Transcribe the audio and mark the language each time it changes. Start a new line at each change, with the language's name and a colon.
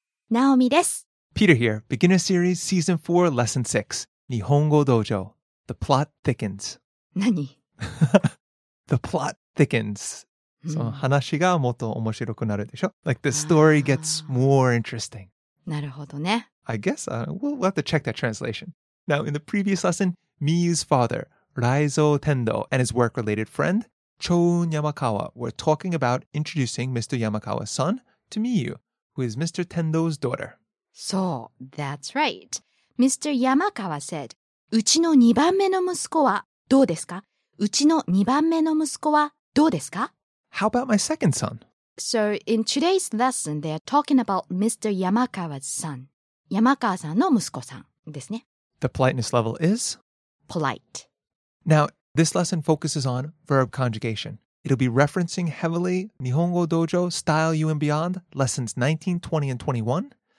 Japanese: ナオミです。
English: Peter here. Beginner Series Season 4 Lesson 6. Nihongo Dojo. The plot thickens.
Japanese: 何?
English: The plot thickens.
Japanese: その話がもっと面白くなるでしょ?
English: Like the story gets more interesting.
Japanese: なるほどね。
English: I guess we'll have to check that translation. Now, in the previous lesson, Miyu's father, Raizo Tendo, and his work-related friend, Chōun Yamakawa, were talking about introducing Mr. Yamakawa's son to Miyu, who is Mr. Tendo's daughter. So, that's right. Mr. Yamakawa said,
Japanese: うちの2番目の息子はどうですか? うちの2番目の息子はどうですか?
English: How about my second son? So, in today's lesson, they are talking about Mr. Yamakawa's son.
Japanese: Yamakawa さんの息子さんですね。
English: The politeness level is? Polite. Now, this lesson focuses on verb conjugation. It'll be referencing heavily Nihongo Dojo Style You and Beyond lessons 19, 20, and 21.